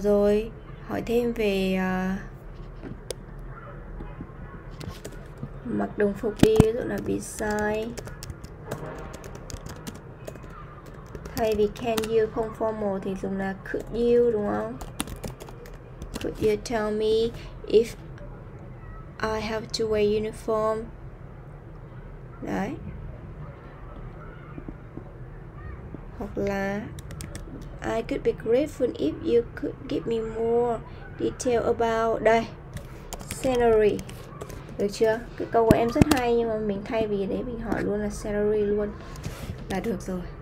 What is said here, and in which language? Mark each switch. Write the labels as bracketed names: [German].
[Vietnamese] Rồi hỏi thêm về mặc đồng phục đi, ví dụ là be shy thay vì can you, không formal thì dùng là could you, đúng không? [English] Could you tell me if I have to wear uniform? [Vietnamese] Đấy. Hoặc là [English] I could be grateful if you could give me more detail about, đây, salary. [Vietnamese] Được chưa? Cái câu của em rất hay, nhưng mà mình thay vì đấy mình hỏi luôn là salary luôn là được rồi.